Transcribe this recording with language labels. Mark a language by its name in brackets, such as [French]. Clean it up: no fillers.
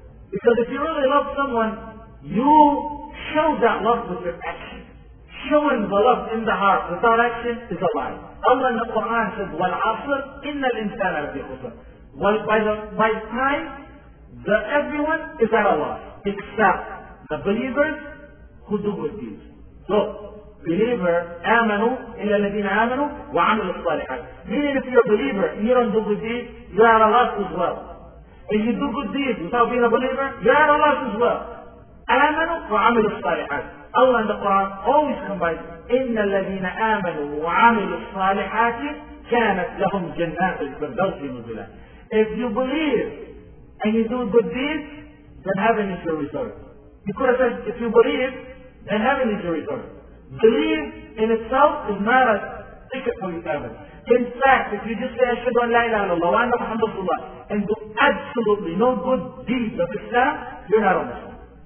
[English] Because if you really love someone, you show that love with your action. Showing the love in the heart without action is a lie. Allah in the Quran says, [Arabic] وَالْعَصْرِ إِنَّ الْإِنسَانَ لَفِي خُسْرٍ. [English] By time, everyone is at a loss, except the believers who do good deeds. So, believer, [Arabic] آمَنُوا إِلَّا الَّذِينَ آمَنُوا وَعَمِلُوا الصَّالِحَاتِ. [English] Meaning if you're a believer and you don't do good deeds, you're at a loss as well. If you do good deeds without being a believer, you're at a loss as well. [Arabic] آمَنُوا وَعَمِلُوا الصَّالِحَاتِ. [English] Allah in the Quran always combines, [Arabic] إِنَّ الَّذِينَ آمَنُوا وَعَمِلُوا الصَّالِحَاتِ كَانَتْ لَهُمْ جَنَّاتِ الْفِرْدَوْسِ نُزُلًا. [English] If you believe and you do good deeds, then heaven is your resort. He could have said, if you believe, then heaven is your resort. Belief in itself is not a ticket for you to heaven. In fact, if you just say, [Arabic] أَشْهَدُ أَنْ لَا إِلَهَ إِلَّا اللَّهُ وَأَنَّ مُحَمَّدًا رَسُولُ اللَّهِ [English] and do absolutely no good deeds of Islam, you're not on the phone.